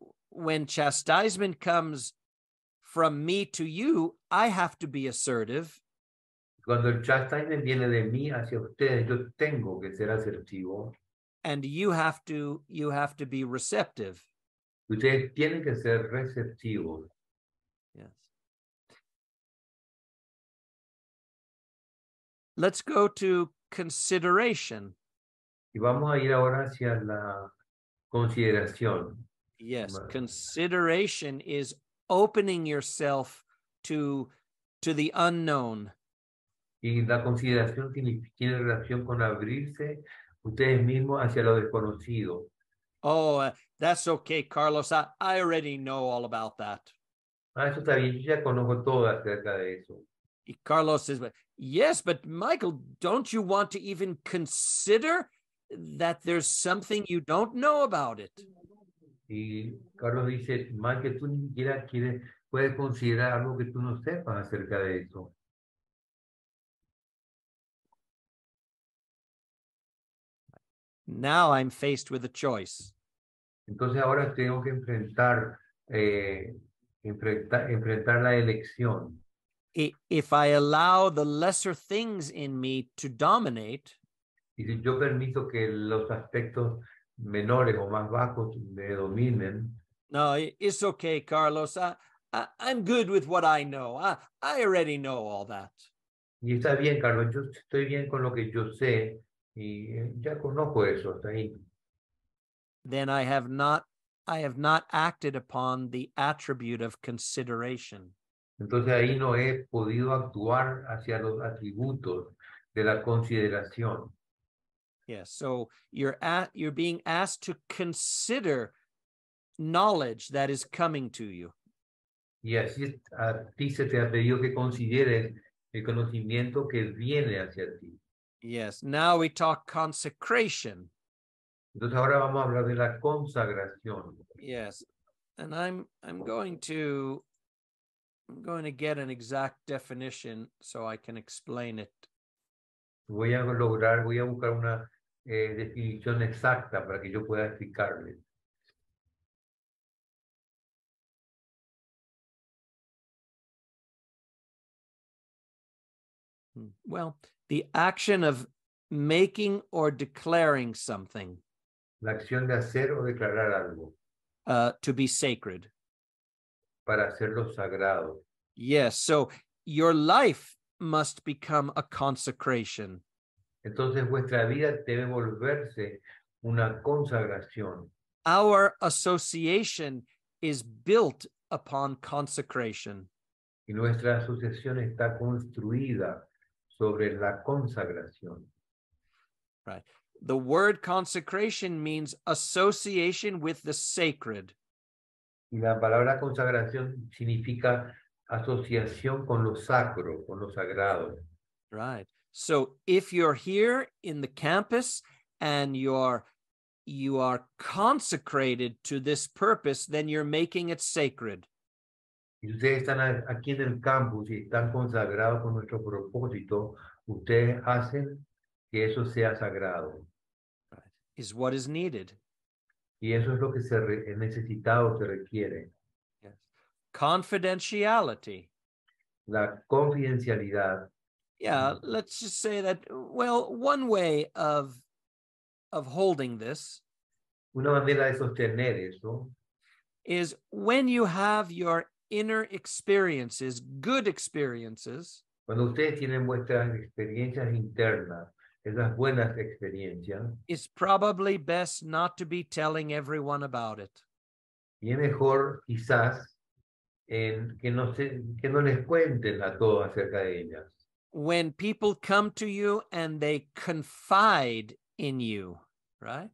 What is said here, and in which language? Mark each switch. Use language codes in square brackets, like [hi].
[en] When chastisement comes from me to you, I have to be assertive. [es] Cuando el chastisement viene de mí hacia ustedes, yo tengo que ser asertivo. [en] And you have to be receptive. [es] Ustedes tienen que ser receptivos. [en] Let's go to consideration. [es] Y vamos a ir ahora hacia la consideración. [en] Yes, consideration is opening yourself to the unknown. [es] Y la consideración tiene relación con abrirse ustedes mismos hacia lo desconocido. [en] Oh, that's okay, Carlos. I already know all about that. [es] Ah, eso está bien. Yo ya conozco todo acerca de eso. [en] Carlos says, yes, but Michael, don't you want to even consider that there's something you don't know about it? [es] Y Carlos dice, Michael, tú ni siquiera puedes considerar algo que tú no sepas acerca de eso. [en] Now I'm faced with a choice. [es] Entonces ahora tengo que enfrentar la elección. [en] If I allow the lesser things in me to dominate, [es] y si yo permito que los aspectos menores o más bajos me dominen, [en] no, it's okay, Carlos. I'm good with what I know. I already know all that. [es] Y está bien, Carlos. Yo estoy bien con lo que yo sé y ya conozco eso hasta ahí. [en] Then I have not acted upon the attribute of consideration. [es] Entonces ahí no he podido actuar hacia los atributos de la consideración. [en] Yes, so you're being asked to consider knowledge that is coming to you. [es] Y así a ti se te ha pedido que consideres el conocimiento que viene hacia ti. [en] Yes, now we talk consecration. [es] Entonces ahora vamos a hablar de la consagración. [en] Yes, and I'm going to get an exact definition so I can explain it. [es] Voy a buscar una definición exacta para que yo pueda explicarle. [en] Well, the action of making or declaring something. [es] La acción de hacer o declarar algo. [en] To be sacred. [es] Para hacerlo sagrado. [en] Yes, so your life must become a consecration. [es] Entonces vuestra vida debe volverse una consagración. [en] Our association is built upon consecration. [es] Y nuestra asociación está construida sobre la consagración. [en] Right. The word consecration means association with the sacred. [es] Y la palabra consagración significa asociación con lo sacro, con lo sagrado. [en] Right. So if you're here in the campus and you are consecrated to this purpose, then you're making it sacred. [es] Si ustedes están aquí en el campus y están consagrados con nuestro propósito, ustedes hacen que eso sea sagrado. [en] Right. Is what is needed. [es] Y eso es lo que se necesitado se requiere. [en] Yes. Confidentiality. [es] La confidencialidad. [en] Yeah, let's just say that, well, one way of holding this, [es] una manera de sostener eso, [en] is when you have your inner experiences, good experiences, [es] cuando ustedes tienen vuestras experiencias internas, esas buenas experiencias, [en] it's probably best not to be telling everyone about it. [es] Y es mejor, quizás, que no les cuenten a todos acerca de ellas. [en] When people come to you and they confide in you, right?